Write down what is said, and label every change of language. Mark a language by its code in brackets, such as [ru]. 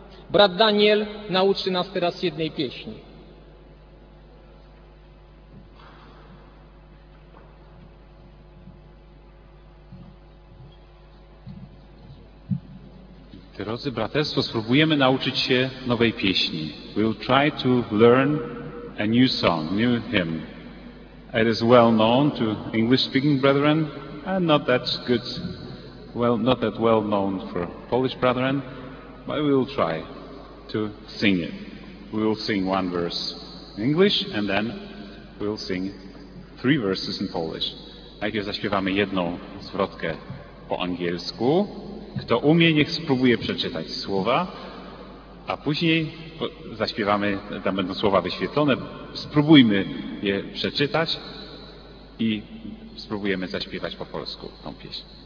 [pl] Brat Daniel nauczy nas teraz jednej pieśni. Drodzy braterstwo, spróbujemy nauczyć się nowej pieśni. [en] We'll try to learn a new song, new hymn. It is well known to English-speaking brethren, and not that good, well, not that well known for Polish brethren, but we'll try to sing it. We'll sing one verse in English, and then we'll sing 3 verses in Polish. [pl] Najpierw zaśpiewamy jedną zwrotkę po angielsku. Kto umie, niech spróbuje przeczytać słowa. A później zaśpiewamy, tam będą słowa wyświetlone, spróbujmy je przeczytać i spróbujemy zaśpiewać po polsku tą pieśń.